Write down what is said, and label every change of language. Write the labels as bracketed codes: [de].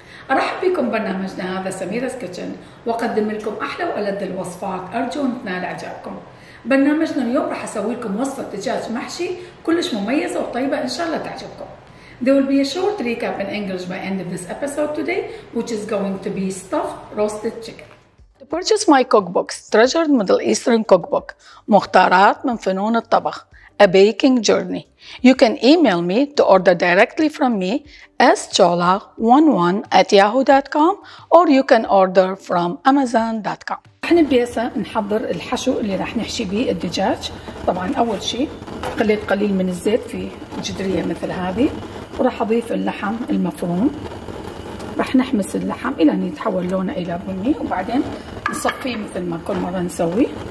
[ar] أرحب بكم برنامجنا هذا سميرز كيتشن، وأقدم لكم أحلى وألذ الوصفات، أرجو أن تنال إعجابكم. برنامجنا اليوم راح أسوي لكم وصفة دجاج محشي كلش مميزة وطيبة إن شاء الله تعجبكم. [en] There will be a short recap in English by end of this episode today, which is going to be stuffed roasted chicken. To purchase my cookbooks, Treasured Middle Eastern Cookbook, مختارات من فنون الطبخ. A baking journey. You can email me to order directly from me schola11@yahoo.com or you can order from amazon.com. [ar] احنا بيسا نحضر الحشو اللي راح نحشي به الدجاج. طبعا اول شيء قليت قليل من الزيت في جدرية مثل هذه، وراح اضيف اللحم المفروم. راح نحمس اللحم الى ان يتحول لونه الى بني، وبعدين نصفيه مثل ما كل مرة نسوي.